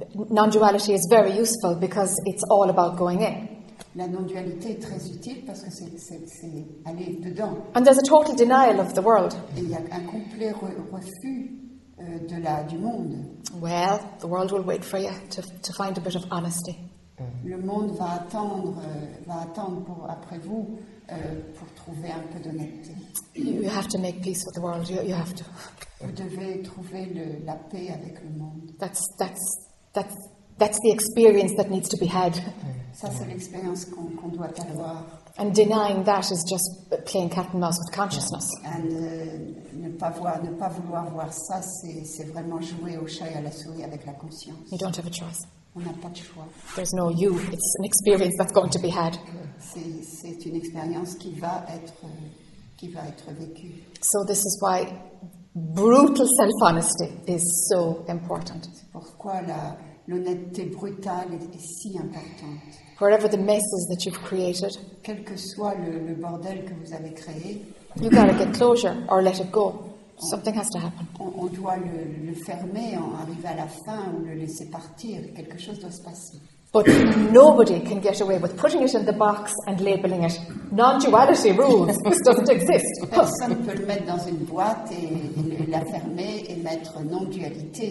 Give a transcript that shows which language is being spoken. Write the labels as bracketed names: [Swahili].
[English] Non-duality is very useful because it's all about going in. [French] La non-dualité est très utile parce que c'est aller dedans. [English] And there's a total denial of the world. [French] Il y a un complet refus de la du monde. [English] Well, the world will wait for you to find a bit of honesty. [French] Le monde va attendre pour après vous pour trouver un peu d'honnêteté. [English] You have to make peace with the world. You have to. [French] Vous devez trouver la paix avec le monde. [English] That's the experience that needs to be had. [French] Ça, c'est l'expérience qu'on doit avoir. [English] And denying that is just playing cat and mouse with consciousness. And [French] ne pas vouloir voir ça, c'est vraiment jouer au chat et à la souris avec la conscience. [English] You don't have a choice. [French] On n'a pas de choix. [English] There's no you. It's an experience that's going to be had. [French] C'est une expérience qui va être vécue. [English] So this is why brutal self-honesty is so important. [French] C'est pourquoi l'honnêteté brutale est si importante. [English] Wherever the messes that you've created, [French] quel que soit le bordel que vous avez créé, [English] you gotta get closure or let it go. Something has to happen. [French] On doit le fermer, en arriver à la fin ou le laisser partir. Quelque chose doit se passer. [English] But nobody can get away with putting it in the box and labeling it non-duality rules. This doesn't exist. [French] Personne ne peut le mettre dans une boîte et la fermer et mettre non-dualité.